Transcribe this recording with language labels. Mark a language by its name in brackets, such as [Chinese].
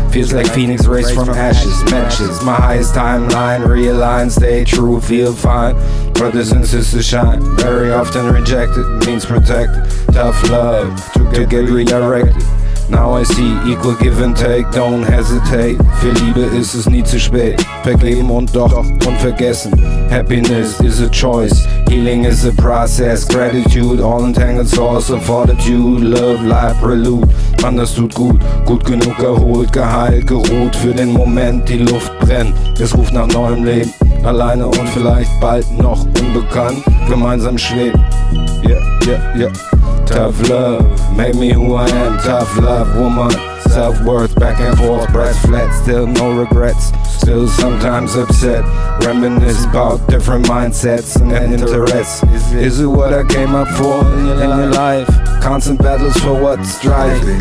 [English] Feels like Phoenix raised from ashes. Matches my highest timeline. Realign, stay true, feel fine. Brothers and sisters shine. Very often rejected, means protected. Tough love, to get redirected. Now I see, equal give and take, don't hesitate. [German] Für Liebe ist es nie zu spät. Vergeben und doch unvergessen. [English] Happiness is a choice. Healing is a process. Gratitude, all entangled source of fortitude. Love, life, prelude. [German] Mann, das tut gut. Gut genug erholt, geheilt, geruht. Für den Moment die Luft brennt. Es ruft nach neuem Leben. Alleine und vielleicht bald noch unbekannt. Gemeinsam schweben. Yeah, yeah, yeah. [English] Tough love, make me who I am. Tough love, woman. Self-worth, back and forth, breath flat. Still no regrets, still sometimes upset. Reminisce about different mindsets and interests. Is it what I came up for in your life? Constant battles for what's right.